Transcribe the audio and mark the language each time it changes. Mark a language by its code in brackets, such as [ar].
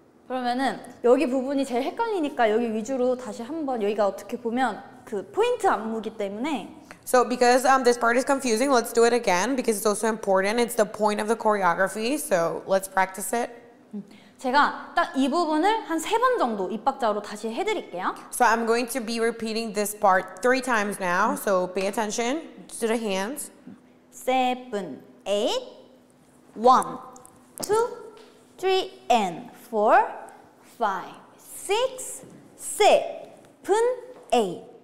[ko] 그러면은 여기 부분이 제일 헷갈리니까 여기 위주로 다시 한번 여기가 어떻게 보면 그 포인트 안무기 때문에 [en] So because this part is confusing, let's do it again because it's also important. It's the point of the choreography. So let's practice it. [ko] 제가 딱 이 부분을 한 세 번 정도 입박자로 다시 해드릴게요. [en] So I'm going to be repeating this part three times now. So pay attention to the hands. Seven, eight, one, two, three, and four, five, six, seven, eight.